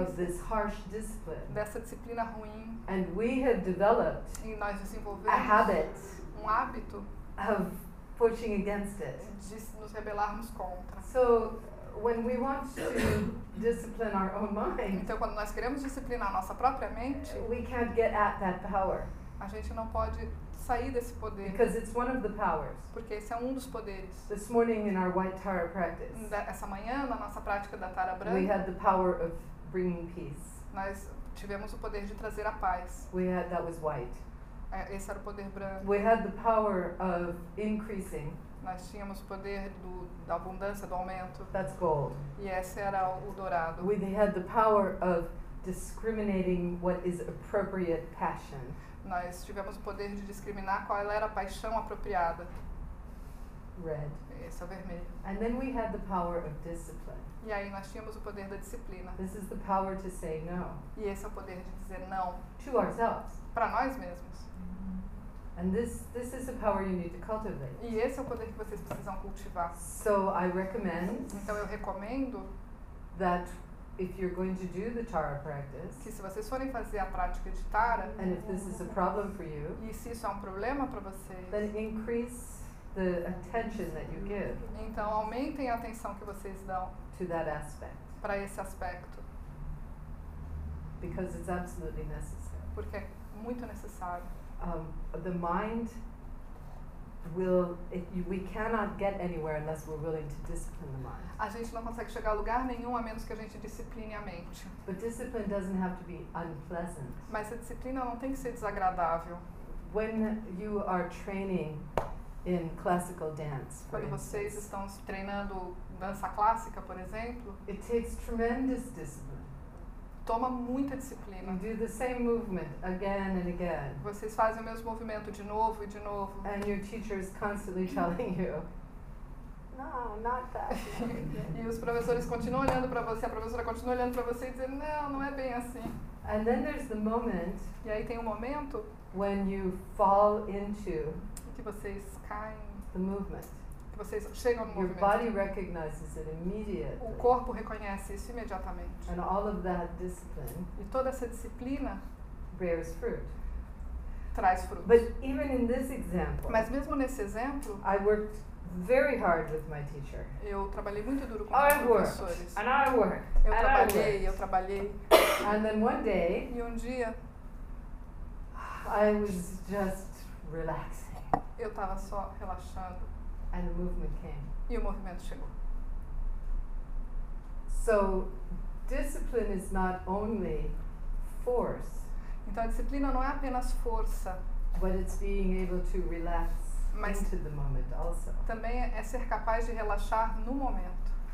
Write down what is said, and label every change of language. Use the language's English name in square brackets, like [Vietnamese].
[English] of this harsh discipline. [Portuguese] Dessa disciplina ruim. [English] And we had developed [Portuguese] e nós desenvolvemos [English] a habit [Portuguese] um hábito [English] of pushing against it. [Portuguese] De nos rebelarmos contra. [English] So, when we want to discipline our own mind, [Portuguese] então, quando nós queremos disciplinar a nossa própria mente, [English] we can't get at that power. [Portuguese] A gente não pode sair desse poder. [English] Because it's one of the powers. [Portuguese] Porque esse é um dos poderes. [English] This morning in our white tara practice, [Portuguese] essa manhã na nossa prática da tara branca, [English] we had the power of bringing peace. [Portuguese] Nós tivemos o poder de trazer a paz. [English] We had, that was white. [Portuguese] Esse era o poder branco. [English] We had the power of increasing. [Portuguese] Nós tínhamos o poder da abundância, do aumento. [English] That's gold. [Portuguese] E esse era o dourado. [English] We had the power of discriminating what is appropriate passion. [Portuguese] Nós tivemos o poder de discriminar qual era a paixão apropriada. [English] Red. [Portuguese] Esse é o vermelho. [English] And then we had the power of discipline. [Portuguese] E aí nós tínhamos o poder da disciplina. [English] This is the power to say no. [Portuguese] E esse é o poder de dizer não. [English] To ourselves. [Portuguese] Para nós mesmos. [English] And this is a power you need to cultivate. [Portuguese] E esse é o poder que vocês precisam cultivar. [English] So I recommend. [Portuguese] Então eu recomendo [English] that if you're going to do the Tara practice, [Portuguese] que se vocês forem fazer a prática de Tara, [English] and if this is a problem for you, [Portuguese] e se isso é um problema para vocês, [English] then increase the attention that you give. [Portuguese] Então aumentem a atenção que vocês dão [English] to that aspect. [Portuguese] Para esse aspecto. [English] Because it's absolutely necessary. [Portuguese] Porque é muito necessário. [English] The mind will. We cannot get anywhere unless we're willing to discipline the mind. [Portuguese] A gente não consegue chegar a lugar nenhum a menos que a gente discipline a mente. [English] But discipline doesn't have to be unpleasant. [Portuguese] Mas a disciplina não tem que ser desagradável. [English] When you are training in classical dance, [Portuguese] quando vocês estão treinando dança clássica, por exemplo, [English] it takes tremendous discipline. [Portuguese] Toma muita disciplina. [English] You do the same movement again and again. [Portuguese] Vocês fazem o mesmo movimento de novo e de novo. [English] And your teacher is constantly telling you, no, not that. [Portuguese] E os professores continuam olhando para você, a professora continua olhando para você e dizendo, não, não é bem assim. [English] And then there's the moment. [Portuguese] E aí tem um momento. [English] When you fall into. [Portuguese] Que vocês caem. [English] The movement. [Portuguese] Que vocês chegam no [English] your [Portuguese] movimento. [English] Body recognizes it immediately. [Portuguese] O corpo reconhece isso imediatamente. [English] And all of that discipline. [Portuguese] E toda essa disciplina. [English] Bears fruit. [Portuguese] Traz frutos. [English] But even in this example. [Portuguese] Mas mesmo nesse exemplo. [English] I worked very hard with my teacher. [Portuguese] Eu trabalhei muito duro com meus professores. [English] And I worked. [Portuguese] Eu [English] and [Portuguese] trabalhei, [English] I worked. [Portuguese] Eu trabalhei. [English] And then one day. [Portuguese] E um dia. [English] I was just relaxing. [Portuguese] Eu estava só relaxando. [English] And the movement came. [Portuguese] E o movimento chegou. [English] So, discipline is not only force. [Portuguese] Então a disciplina não é apenas força. [English] But it's being able to relax into the moment also. [Portuguese] Também é ser capaz de relaxar no momento.